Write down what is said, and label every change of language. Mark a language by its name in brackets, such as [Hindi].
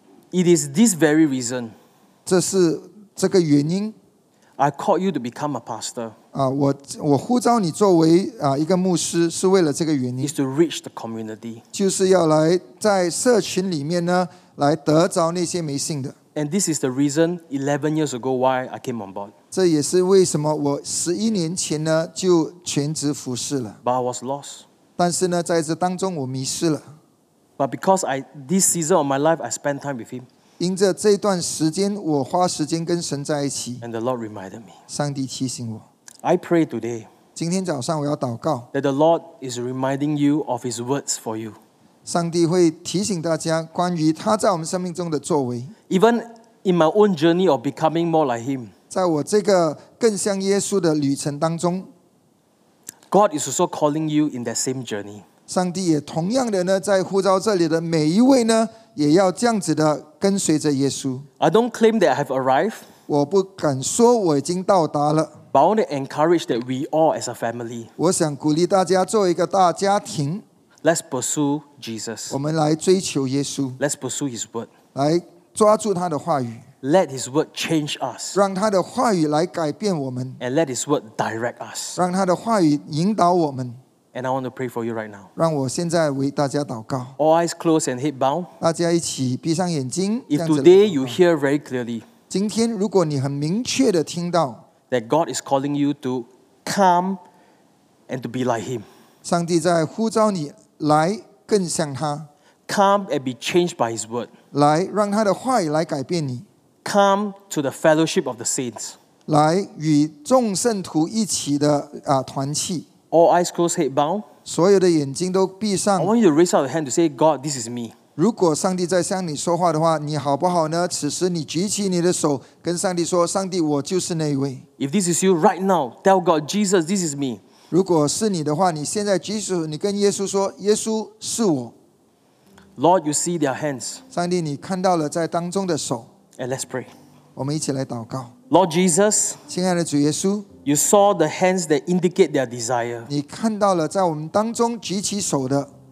[English] It is this very reason. [Chinese] 这是这个原因。 [English] I call you to become a pastor. [Chinese] 我呼召你作为一个牧师，是为了这个原因。 [English] Is to reach the community. [Chinese] 就是要来在社群里面呢，来得着那些没信的。 [English] And this is the reason 11 years ago why I came on board. [Chinese] 这也是为什么我11年前呢就全职服事了。 [English] But I was lost. [Chinese] 但是呢，在这当中我迷失了。 [English] But because I this season of my life, I spend time with Him. [Chinese] 因着这段时间，我花时间跟神在一起。 [English] And the Lord reminded me. [Chinese] 上帝提醒我。 [English] I pray today. [Chinese] 今天早上我要祷告。 [English] That the Lord is reminding you of His words for you. [Chinese] 上帝会提醒大家关于他在我们生命中的作为。 [English] Even in my own journey of becoming more like Him. [Chinese] 在我这个更像耶稣的旅程当中。 [English] God is also calling you in that same journey. [Chinese] 上帝也同样的呢，在呼召这里的每一位呢，也要这样子的跟随着耶稣。 [English] I don't claim that I have arrived. [Chinese] 我不敢说我已经到达了。 [English] But I want to encourage that we all as a family. [Chinese] 我想鼓励大家做一个大家庭。 [English] Let's pursue Jesus. [Chinese] 我们来追求耶稣。 [English] Let's pursue His word. [Chinese] 来抓住他的话语。 [English] Let His word change us. [Chinese] 让他的话语来改变我们。 [English] And let His word direct us. [Chinese] 让他的话语引导我们。 [English] And I want to pray for you right now. [Chinese] 让我现在为大家祷告。 [English] All eyes closed and head bowed. [Chinese] 大家一起闭上眼睛。 [English] If today you hear very clearly, [Chinese] 今天如果你很明确的听到 [English] that God is calling you to come and to be like Him, [Chinese] 上帝在呼召你来更像他。 [English] Come and be changed by His word. [Chinese] 来让他的话语来改变你。 [English] Come to the fellowship of the saints. [Chinese] 来与众圣徒一起的团契。 [English] All eyes closed, head bowed. [Chinese] 所有的眼睛都闭上。 [English] I want you to raise out your hand to say, God, this is me. [Chinese] 如果上帝在向你说话的话，你好不好呢？此时你举起你的手，跟上帝说：“上帝，我就是那一位。” [English] If this is you right now, tell God, Jesus, this is me. [Chinese] 如果是你的话，你现在举手，你跟耶稣说：“耶稣，是我。” [English] Lord, you see their hands. [Chinese] 上帝，你看到了在当中的手。 [English] And let's pray. [Chinese] 我们一起来祷告。 [English] Lord Jesus, [Chinese] 亲爱的主耶稣。 [English] You saw the hands that indicate their desire. [Chinese] 你看到了在我们当中举起手的。